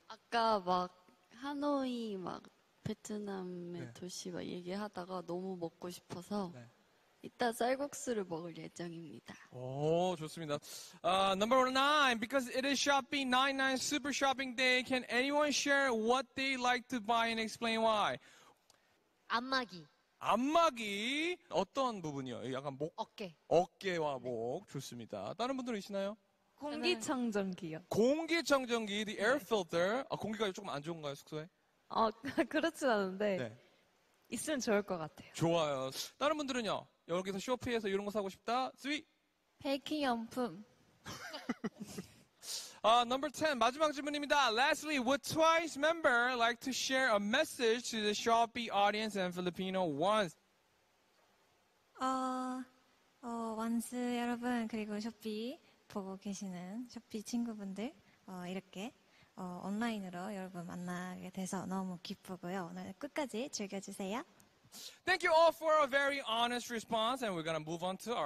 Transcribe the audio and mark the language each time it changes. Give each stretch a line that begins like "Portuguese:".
Korean: 아까 막 하노이 막 베트남의 네. 도시 막 얘기하다가 너무 먹고 싶어서 네. 이따 쌀국수를 먹을 예정입니다. 오, 좋습니다.
English: Number 9, because it is shopping 99 super shopping day, can anyone share what they like to buy and explain why?
Korean: 안마기. 안마기 어떤 부분이요? 약간 목 어깨. 어깨와 목 네. 좋습니다. 다른 분들 있으나요? 공기청정기요. 공기청정기,
English: the air filter.
Korean: 네. 아, 공기가 조금 안 좋은가요, 숙소에? 그렇진 않은데 네. 있으면 좋을 것 같아요. 좋아요. 다른 분들은요? 여기서 쇼핑해서 이런 거 사고 싶다? 스윗! 베이킹 용품. 아,
English: number 10,
Korean: 마지막 질문입니다.
English: Lastly, would TWICE member like to share a message to the Shopee audience and Filipino ones?
Korean: 원스 여러분, 그리고 쇼피 보고 계시는 쇼피 친구분들 이렇게 온라인으로 여러분 만나게 돼서 너무 기쁘고요. 오늘 끝까지 즐겨주세요.
English: Thank you all for a very honest response and we're gonna move on to our